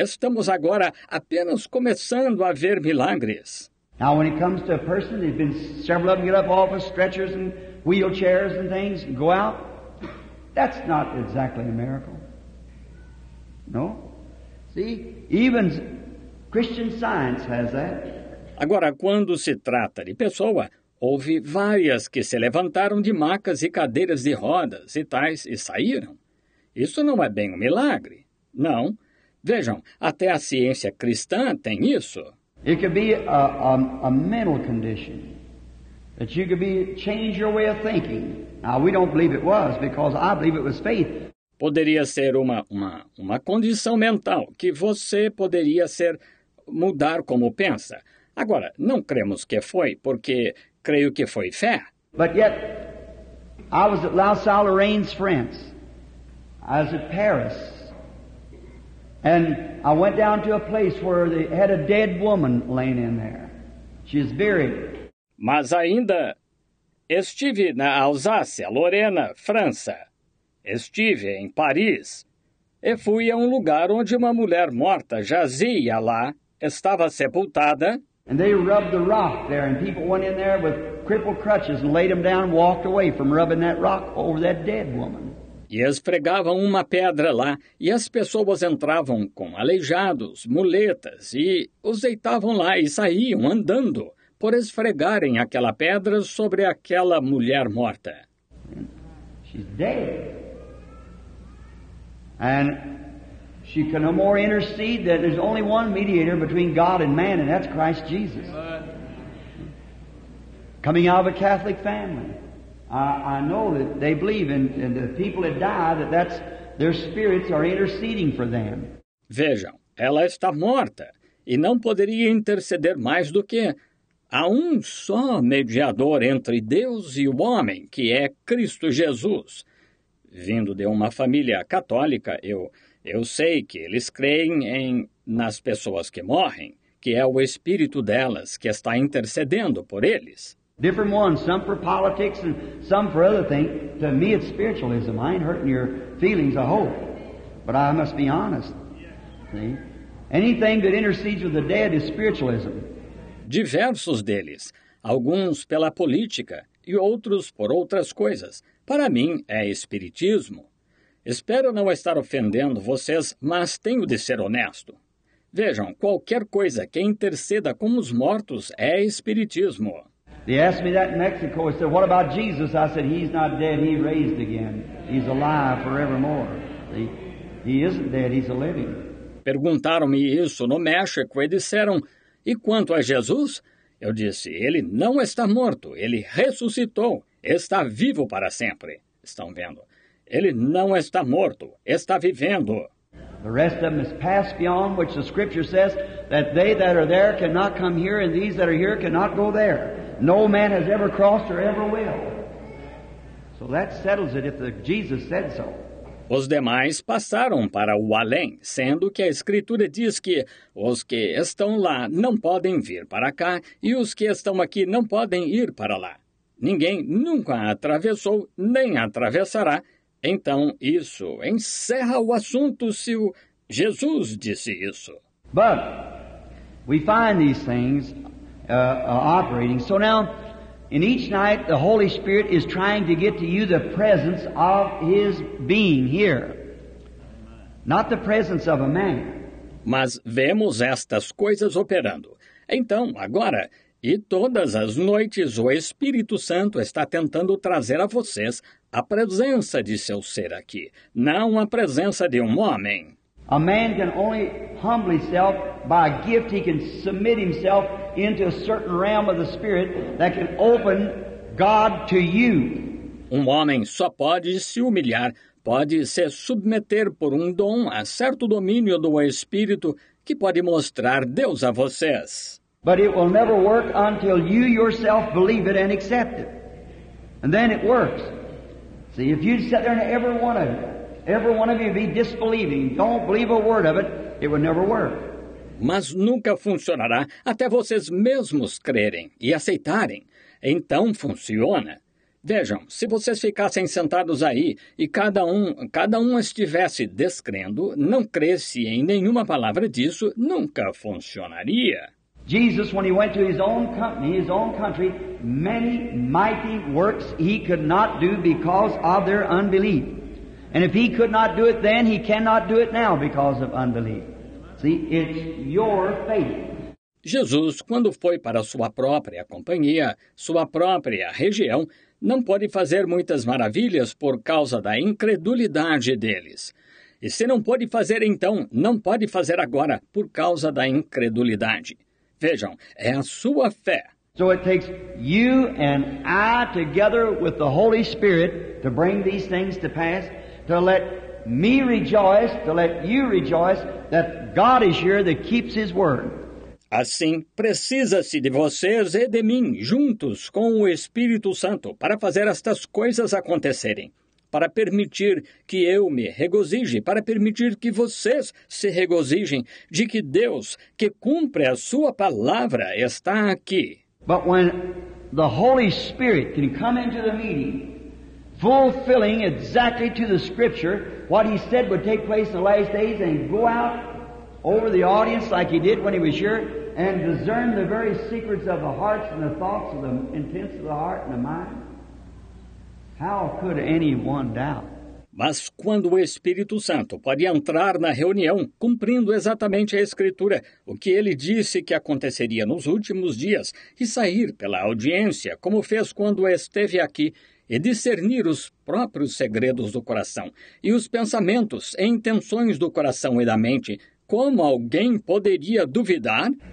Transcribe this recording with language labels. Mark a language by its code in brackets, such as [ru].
[pt] Estamos agora apenas começando a ver milagres. [en] Now, when it comes to a person, there have been several of them get up off of stretchers and wheelchairs and things and go out. That's not exactly a miracle. No? See? Even Christian Science has that. [pt] Agora, quando se trata de pessoa, houve várias que se levantaram de macas e cadeiras de rodas e tais e saíram. Isso não é bem um milagre. Não. Vejam, até a ciência cristã tem isso. [en] It could be a mental condition. that you could be change your way of thinking. Now, we don't believe it was, because I believe it was faith. [pt] Poderia ser uma condição mental que você poderia ser mudar como pensa. Agora, não cremos que foi, porque creio que foi fé. [en] But yet, I was at La Salle Lorraine's France. I was at Paris. And I went down to a place where they had a dead woman laying in there. She's buried. [pt] Mas ainda estive na Alsácia, Lorena, França. Estive em Paris. E fui a um lugar onde uma mulher morta jazia lá, estava sepultada. [en] And they rubbed the rock there, and people went in there with crippled crutches and laid them down and walked away from rubbing that rock over that dead woman. [pt] E esfregavam uma pedra lá, e as pessoas entravam com aleijados, muletas, e os deitavam lá e saíam andando por esfregarem aquela pedra sobre aquela mulher morta. [en] She's dead. And she can no more intercede that there's only one mediator between God and man, and that's Christ Jesus. Coming out of a Catholic family. I know that they believe in the people that die, that that's, their spirits are interceding for them. [pt] Vejam, ela está morta e não poderia interceder mais do que há um só mediador entre Deus e o homem, que é Cristo Jesus. Vindo de uma família católica, eu sei que eles creem nas pessoas que morrem, que é o espírito delas que está intercedendo por eles. [en] Different ones, some for politics and some for other things. To me, it's spiritualism. I ain't hurting your feelings, I hope. But I must be honest. See? Anything that intercedes with the dead is spiritualism. [pt] Diversos deles, alguns pela política e outros por outras coisas. Para mim, é espiritismo. Espero não estar ofendendo vocês, mas tenho de ser honesto. Vejam, qualquer coisa que interceda com os mortos é espiritismo. [en] They asked me that in Mexico. I said, what about Jesus? I said, he's not dead. He raised again. He's alive forevermore. He isn't dead. He's a living. [pt] Perguntaram-me isso no México e disseram, e quanto a Jesus? Eu disse, ele não está morto. Ele ressuscitou. Está vivo para sempre. Estão vendo? Ele não está morto. Está vivendo. [en] The rest of them is passed beyond, which the scripture says that they that are there cannot come here and these that are here cannot go there. No man has ever crossed or ever will. So that settles it if Jesus said so. [pt] Os demais passaram para o além, sendo que a Escritura diz que os que estão lá não podem vir para cá e os que estão aqui não podem ir para lá. Ninguém nunca atravessou nem atravessará. Então isso encerra o assunto se o Jesus disse isso. [en] But we find these things operating. So now, in each night, the Holy Spirit is trying to get to you the presence of His being here, not the presence of a man. [pt] Mas vemos estas coisas operando. Então, agora, e todas as noites, o Espírito Santo está tentando trazer a vocês a presença de seu ser aqui, não a presença de um homem. [en] A man can only humble himself by a gift. He can submit himself into a certain realm of the Spirit that can open God to you. [pt] Um homem só pode se humilhar, pode se submeter por um dom a certo domínio do Espírito que pode mostrar Deus a vocês. [en] But it will never work until you yourself believe it and accept it. And then it works. See, if you sit there and every one of you be disbelieving, don't believe a word of it, it would never work. [pt] Mas nunca funcionará até vocês mesmos crerem e aceitarem. Então funciona. Vejam, se vocês ficassem sentados aí e cada um estivesse descrendo, não cresse em nenhuma palavra disso, nunca funcionaria. [en] Jesus, when he went to his own company, his own country, many mighty works he could not do because of their unbelief. And if he could not do it then, he cannot do it now because of unbelief. See, it's your faith. [pt] Jesus, quando foi para sua própria companhia, sua própria região, não pôde fazer muitas maravilhas por causa da incredulidade deles. E se não pôde fazer então, não pode fazer agora por causa da incredulidade. Vejam, é a sua fé. [en] So it takes you and I together with the Holy Spirit to bring these things to pass, to let me rejoice, to let you rejoice that God is here that keeps His Word. [pt] Assim, precisa-se de vocês e de mim, juntos com o Espírito Santo, para fazer estas coisas acontecerem, para permitir que eu me regozije, para permitir que vocês se regozijem de que Deus, que cumpre a sua palavra, está aqui. [en] But when the Holy Spirit can come into the meeting, fulfilling exactly to the Scripture what He said would take place in the last days and go out over the audience like He did when He was here and discern the very secrets of the hearts and the thoughts of the intents of the heart and the mind, how could anyone doubt? [pt] Mas quando o Espírito Santo pode entrar na reunião, cumprindo exatamente a Escritura, o que Ele disse que aconteceria nos últimos dias, e sair pela audiência, como fez quando esteve aqui, e discernir os próprios segredos do coração, e os pensamentos e intenções do coração e da mente, como alguém poderia duvidar?